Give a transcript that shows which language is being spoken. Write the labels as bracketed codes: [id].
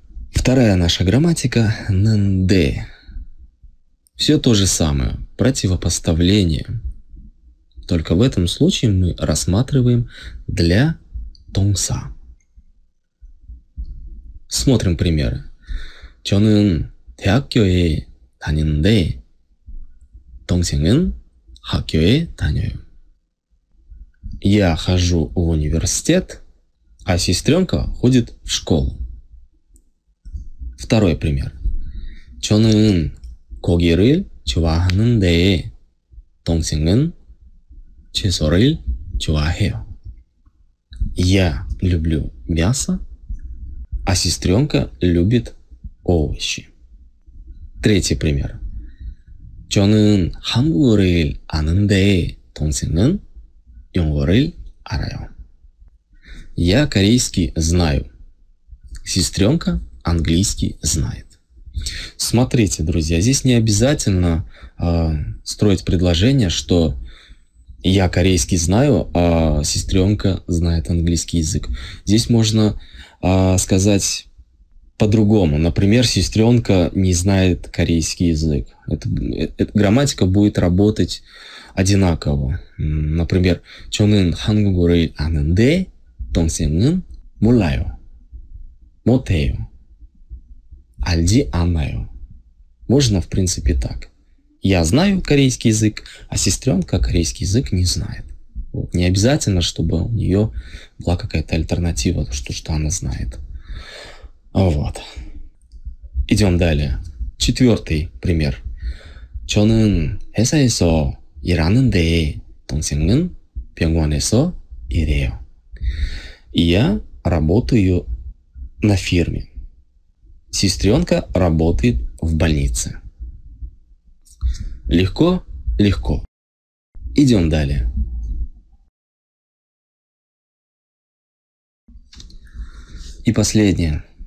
[ru] Вторая наша грамматика – нэндэ. Все то же самое, противопоставление. Только в этом случае мы рассматриваем для тонгса. Смотрим пример. [ko] 저는 대학교에 다니는데 동생은 학교에 다녀요. [ru] Я хожу в университет, а сестренка ходит в школу. Второй пример. [ko] 저는 고기를 좋아하는데 동생은 채소를 좋아해요. [ru] Я люблю мясо, а сестренка любит овощи. Третий пример. [ko] 저는 한국어를 아는데 동생은 영어를 알아요. [ru] Я корейский знаю. Сестренка английский знает. Смотрите, друзья, здесь не обязательно строить предложение, что я корейский знаю, а сестренка знает английский язык. Здесь можно сказать по-другому. Например, сестренка не знает корейский язык. Это грамматика будет работать одинаково. [ko] Например, 저는 한국어를 아는데 동생은 몰라요. 못해요. 알지 않아요. [ru] Можно, в принципе, так. Я знаю корейский язык, а сестренка корейский язык не знает. Вот. Не обязательно, чтобы у нее была какая-то альтернатива, что она знает. Вот. Идем далее. Четвертый пример. [ko] 저는 회사에서 일하는데 동생은 병원에서 일해요. [ru] Я работаю на фирме. Сестренка работает в больнице. Легко? Легко. Идем далее. И последнее.